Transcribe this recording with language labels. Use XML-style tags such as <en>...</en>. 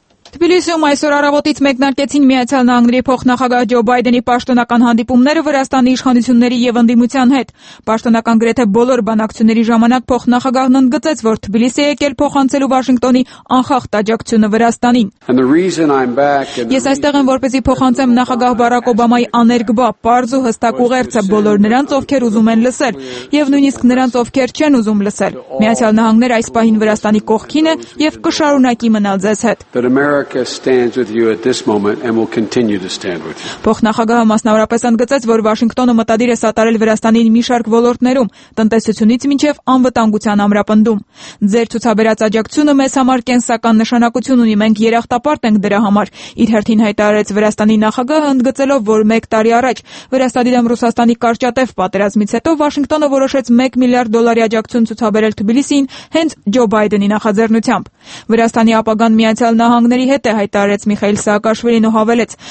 <hy>Թբիլիսիում այսօր առավոտից մեկնարկեցին Միացյալ Նահանգների փոխնախագահ Ջո Բայդենի պաշտոնական հանդիպումները Վրաստանի իշխանությունների և ընդդիմության հետ։ Պաշտոնական գրեթե բոլոր բանակցությունների ժամանակ փոխնախագահն ընդգծեց, որ Թբիլիսի եկել փոխանցելու Վաշինգտոնի անխախտ աջակցությունը Վրաստանին։ «Ես այստեղ եմ, որպեսզի փոխանցեմ նախագահ Բարակ Օբամայի աներկբա, պարզ ու հստակ ուղերձը բոլոր նրանց, ովքեր ուզում են լսել, և նույնիսկ նրանց, ովքեր չեն ուզում լսել. Միացյալ Նահանգները այս պահին Վրաստանի կողքին է և կշարունակի մնալ ձեզ հետ»։</hy> <en>America stands with you at this moment and will continue to stand with you.</en> <hy>Փոխնախագահը մասնավորապես ընդգծեց, որ Վաշինգտոնը մտադիր է սատարել Վրաստանի մի շարք ոլորտներում, տնտեսությունից մինչև անվտանգության ամրապնդում։ Ձեր ցուցաբերած աջակցությունը մեզ համար կենսական նշանակություն ունի, մենք երախտապարտ ենք դրա համար, իր հերթին հայտարարեց Վրաստանի նախագահը, ընդգծելով, որ 1 տարի առաջ Վրաստանի դեմ Ռուսաստանի կարճատև պատերազմից հետո Վաշինգտոնը որոշեց 1 միլիարդ դոլարի աջակցություն ցուցաբերել Թբիլիսին, հենց Ջո Բայդենի նախաձեռնությամբ։ Վրաստանի ապագան Միացյալ Նահանգների հետ է հայտարարեց Միխայել Սաակաշվիլին ու հավելեց.</hy>